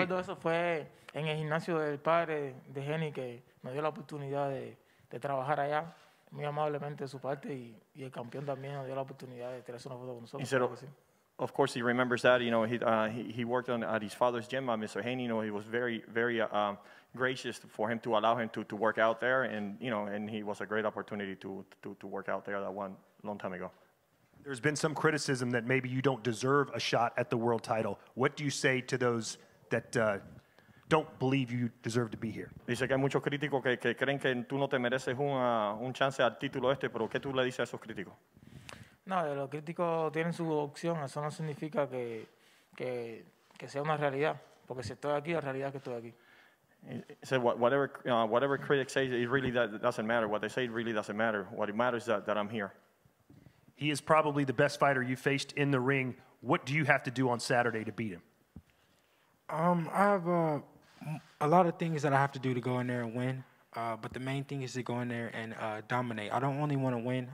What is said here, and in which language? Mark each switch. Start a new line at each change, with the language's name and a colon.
Spanish: Eso fue en el gimnasio del padre de Jenny que me dio la oportunidad de trabajar allá, muy amablemente de su parte, y el campeón también nos dio la oportunidad de tirarse una foto con nosotros.
English: Said, of course, he remembers that. You know, he worked at his father's gym, Mr. Haney. You know, he was very, very gracious for him to allow him to work out there. And, you know, and he was a great opportunity to work out there that one long time ago. There's been some criticism that maybe you don't deserve a shot at the world title. What do you say to those that don't believe you deserve to be here?
Spanish: Dice que hay muchos críticos que creen que tú no te mereces un chance al título este, pero ¿qué tú le dices a esos críticos? No, los críticos tienen su opción. Eso no significa que sea una realidad. Porque si estoy aquí, la realidad es que estoy aquí.
English: He said, whatever critics say, it really doesn't matter. What they say really doesn't matter. What it matters is that I'm here. He is probably the best fighter you faced in the ring. What do you have to do on Saturday to beat him? I have a lot of things that I have to do to go in there and win, but the main thing is to go in there and dominate. I don't only want to win.